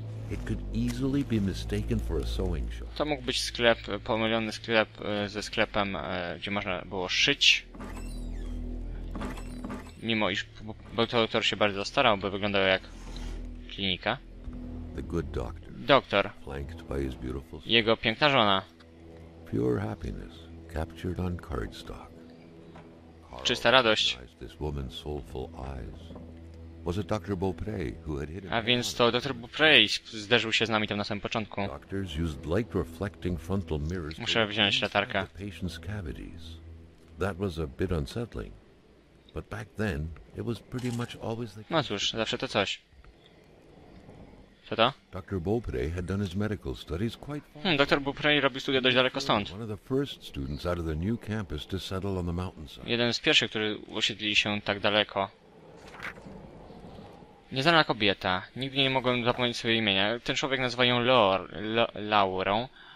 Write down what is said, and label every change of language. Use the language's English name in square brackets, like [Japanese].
[English] It could easily be mistaken for a sewing shop. [Polish] To mógł być sklep, pomylony sklep ze sklepem, gdzie można było szyć. Mimo iż doktor się bardzo starał, by wyglądał jak klinika. [English] The good doctor. [Polish] Doktor. [English] Flanked by his beautiful. [Polish] Jego piękna żona. [English] Pure happiness captured on cardstock. [Polish] Czysta radość. [English] This woman's soulful eyes. Was it Dr. Beaupray who had hit him? [Polish] A więc to Dr. Beaupray zderzył się z nami tam na samym początku. [English] Doctors used light reflecting frontal mirrors. [Polish] Muszę wziąć latarkę. [English] The patient's cavities. That was a bit unsettling. But back then, it was pretty much always the. [Polish] No cóż, zawsze to coś. Co to? [English] Dr. Beaupray had done his medical studies quite far. [Polish] Dr. Beaupray robił studia dość daleko stąd. [English] One of the first students out of the new campus to settle on the mountainside. [Polish] Jeden z pierwszych, którzy osiedlili się tak daleko. Nieznana kobieta. Nigdy nie mogłem zapomnieć sobie imienia. Ten człowiek nazywa ją Laurą.